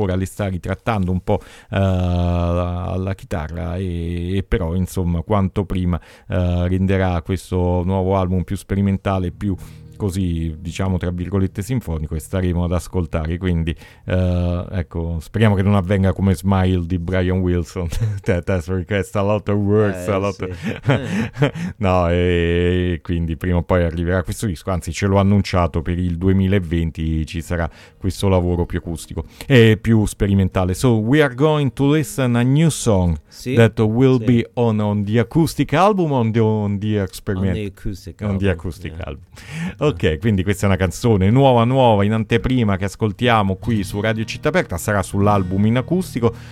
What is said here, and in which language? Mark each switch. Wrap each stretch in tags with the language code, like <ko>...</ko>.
<it>Ora le sta ritrattando un po' alla chitarra e però insomma quanto prima renderà questo nuovo album più sperimentale, più così, diciamo, tra virgolette, sinfonico, e staremo ad ascoltare. Quindi ecco, speriamo che non avvenga come Smile di Brian Wilson.</it> <en>That has request a lot of words, a lot of...</en> <it>No, e quindi prima o poi arriverà questo disco, anzi ce l'ho annunciato per il 2020, ci sarà questo lavoro più acustico e più sperimentale.</it> <en>So we are going to listen a new song,</en> <it>sì,</it> <en>that will, sì, be on the acoustic album, on the experiment, on the acoustic album.</en> <it>Ok, quindi questa è una canzone nuova nuova in anteprima che ascoltiamo qui su Radio Città Aperta, sarà sull'album in acustico.</it>